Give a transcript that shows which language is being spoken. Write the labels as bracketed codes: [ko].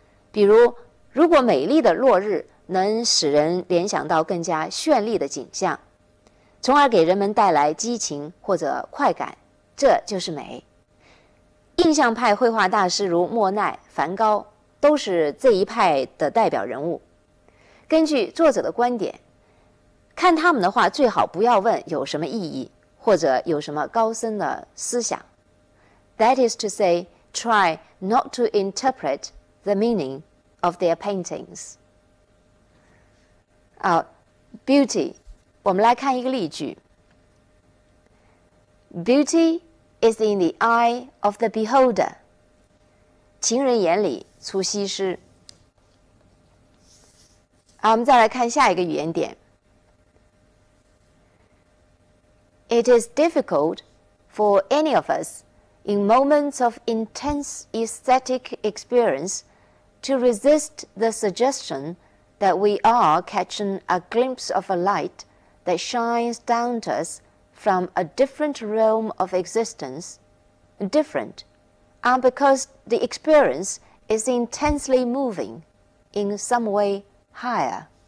[zh] 比如，如果美丽的落日能使人联想到更加绚丽的景象，从而给人们带来激情或者快感，这就是美。印象派绘画大师如莫奈、梵高都是这一派的代表人物。根据作者的观点，看他们的话最好不要问有什么意义或者有什么高深的思想。 [en] That is to say, try not to interpret the meaning of their paintings. [zh] Beauty, 我们来看一个例句。 [en] Beauty is in the eye of the beholder. [zh] 情人眼里出西施。好，我们再来看下一个语言点。 [en] It is difficult for any of us in moments of intense aesthetic experience to resist the suggestion that we are catching a glimpse of a light that shines down to us from a different realm of existence, different, and because the experience is intensely moving, in some way higher.